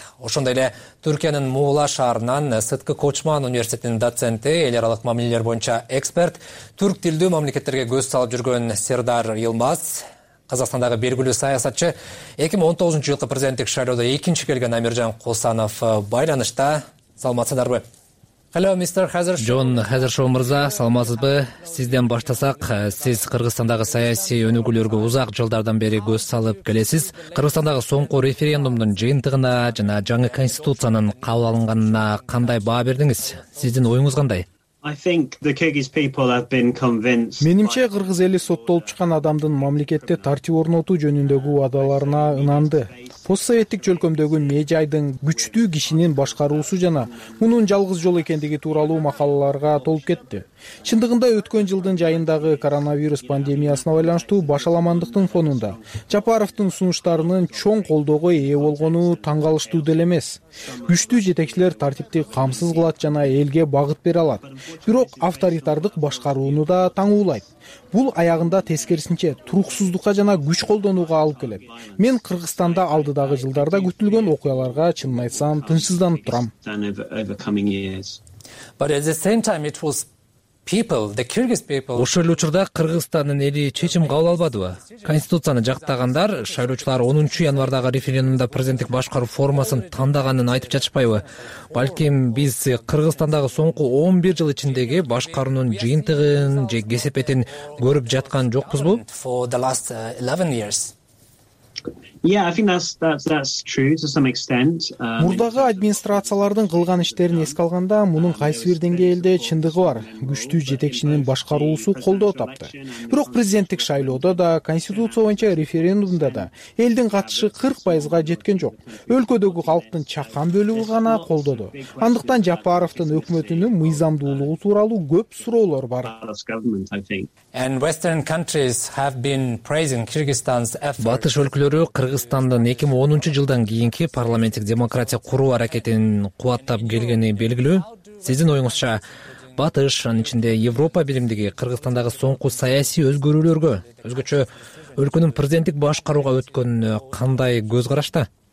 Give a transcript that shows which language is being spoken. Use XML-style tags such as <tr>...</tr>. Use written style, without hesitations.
<ky>Ошондой эле Түркиянын Муула шаарынан Сыткы Кочман университетинин доценти, эл аралык мамилелер боюнча эксперт, түрк тилдүү мамлекеттерге көз салып жүргөн Сердар Йылмаз, Казакстандагы белгилүү саясатчы, 2019 жылкы президенттик шайлоодо экинчи келген Амиржан Кусанов байланышта. Саламатсыздарбы?</ky> <en>Hello, Mr. Hazard.</en> <ky>Джон Хазершоу мырза, саламатсызбы? Сизден баштасак, сиз Кыргызстандагы саясий өнүгүүлөргө узак жылдардан бери көз салып келесиз. Кыргызстандагы соңку референдумдун жыйынтыгына жана жаңы конституциянын кабыл алынганына кандай баа бердиңиз? Сиздин оюңуз кандай?</ky> <en>I think the Kyrgyz people have been convinced.</en> <ky>Менимче кыргыз эли соттолуп чыккан адамдын мамлекетте тартип орнотуу жөнүндөгү убадаларына ынанды. Постсоветтик чөлкөмдөгү мээжайдын күчтүү кишинин башкаруусу жана мунун жалгыз жол экендиги тууралуу макалаларга толуп кетти. Чындыгында өткөн жылдын жайындагы коронавирус пандемиясына байланыштуу башаламандыктын фонунда Жапаровдун сунуштарынын чоң колдоого ээ болгону таң калыштуу деле эмес. Күчтүү жетекчилер тартипти камсыз кылат жана элге багыт бере алат. Бирок авторитардык башкарууну да таңуулайт. Бул аягында тескерисинче туруксуздукка жана күч колдонууга алып келет. Мен Кыргызстанда алдыдагы жылдарда күтүлгөн окуяларга чынын айтсам тынчсызданып турам.</ky> <en>But at the same time it was people, the Kyrgyz people.</en> <ky>Ошол учурда Кыргызстандын эли чечим кабыл албадыбы? Конституцияны жактагандар, шайлоочулар 10 январдагы референдумда президенттик башкаруу формасын тандаганын айтып жатышпайбы? Балким биз Кыргызстандагы соңку 11 жыл ичиндеги башкаруунун жыйынтыгын же кесепетин көрүп жаткан жокпузбу?</ky> <en>For the last 11 years. Yeah, I think that's true to some extent.</en> <ky>Мурдагы администрациялардын кылган иштерин эске алганда, мунун кайсы бир деңгээлде чындыгы бар. Күчтүү жетекчинин башкаруусу колдоо тапты. Бирок президенттик шайлоодо да, конституция боюнча референдумда да элдин катышы 40%га жеткен жок. Өлкөдөгү халктын чакан бөлүгү гана колдоду. Андыктан Жапаровдун өкмөтүнүн мыйзамдуулугу тууралуу көп суроолор бар.</ky> <en>And Western countries have been praising Kyrgyzstan's effort.</en> <ky>Батыш өлкөлөрү Кыргызстандын 2010 жылдан кийинки парламенттик демократия куруу аракетин кубаттап келгени белгилүү. Сиздин оюңузча, Батыш, анын ичинде Европа биримдиги Кыргызстандагы соңку саясий өзгөрүүлөргө, өзгөчө өлкөнүн президенттик башкарууга өткөнүнө кандай көз карашта?</ky>